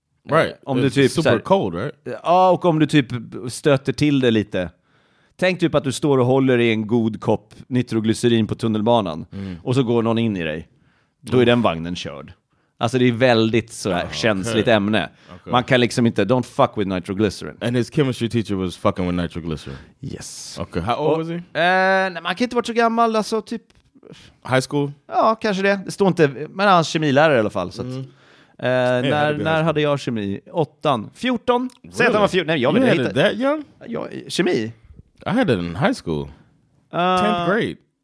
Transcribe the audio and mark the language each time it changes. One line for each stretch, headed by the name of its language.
English: Right.
Swedish: Om du typ,
English: super cold, right?
Swedish: Ja, och om du typ stöter till det lite. Tänk typ att du står och håller i en god kopp nitroglycerin på tunnelbanan. Och så går någon in i dig. Då är den vagnen körd. Alltså det är väldigt så här känsligt ämne. Okay. Man kan liksom inte,
English: don't fuck with nitroglycerin. And his chemistry teacher was fucking with nitroglycerin. Yes. Okay, how old was he?
Swedish: Nej, man kan inte vara så gammal, alltså typ...
English: High school?
Swedish: Ja, kanske det. Det står inte, men han är kemilärare i alla fall, så att... när hade jag kemi? 8:an. 14? Really? Säg att han var 14. Nej, jag vill inte.
English: That young?
Swedish: Ja, kemi.
English: I had it in high school. 10th grade.